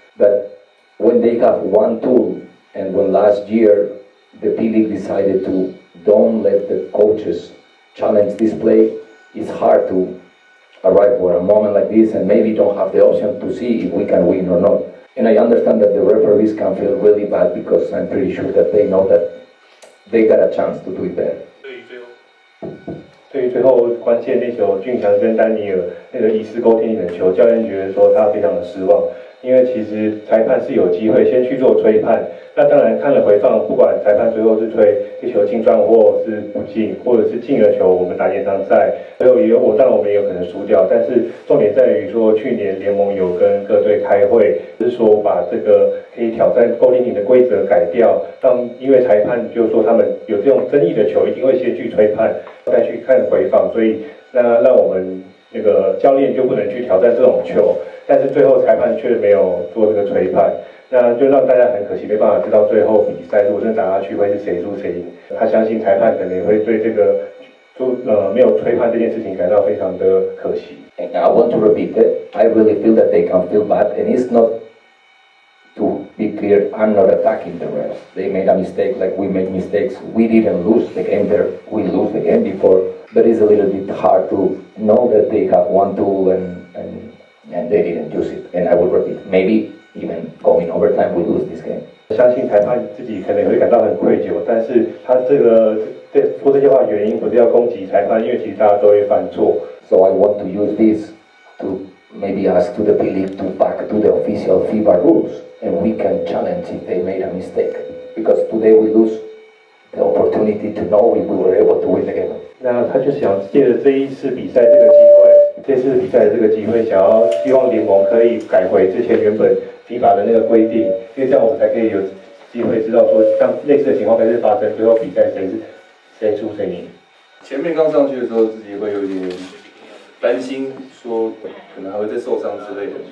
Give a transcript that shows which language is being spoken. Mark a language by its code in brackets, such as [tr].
[en] But when they have one tool, and when last year the P-League decided to don't let the coaches challenge this play, it's hard to arrive for a moment like this and maybe don't have the option to see if we can win or not. And I understand that the referees can feel really bad because I'm pretty sure that they know that they got a chance to do it better. [zh] 对于最后关键那球，俊翔跟丹尼尔那个疑似勾天的球，教练觉得说他非常的失望，因为其实裁判是有机会先去做吹判。那当然看了回放，不管裁判最后是吹这球进撞或是不进，或者是进了球我们打延长赛，最后也有，当然我们也有可能输掉，但是重点在于说去年联盟有跟各队开会，是说把这个可以挑战勾天顶的规则改掉，让因为裁判就说他们有这种争议的球一定会先去吹判再去看回放，所以那让我们那个教练就不能去挑战这种球，但是最后裁判却没有做这个吹判，那就让大家很可惜，没办法知道最后比赛如果真打下去会是谁输谁赢。他相信裁判可能也会对这个没有吹判这件事情感到非常的可惜。 [en] And I want to repeat it. I really feel that they can feel bad, and it's not to be clear. I'm not attacking the refs. They made a mistake, like we made mistakes. We didn't lose the game there. We lose the game before. But it's a little bit hard to know that they have one tool and they didn't use it. And I will repeat, maybe. Even going overtime, we lose this game. [zh] 相信裁判自己可能会感到很愧疚，但是他这个在说这些话原因不是要攻击裁判，因为其实大家都会犯错。 [en] So I want to use this to maybe ask to the P-League to back to the official FIBA rules, and we can challenge if they made a mistake. Because today we lose the opportunity to know if we were able to win the game. [zh] 那他就想借着这一次比赛这个机会。这次比赛的这个机会，想要希望联盟可以改回之前原本FIBA的那个规定，因为这样我们才可以有机会知道说，像类似的情况还是发生，最后比赛谁输谁赢。前面刚上去的时候，自己会有点担心，说可能还会再受伤之类的。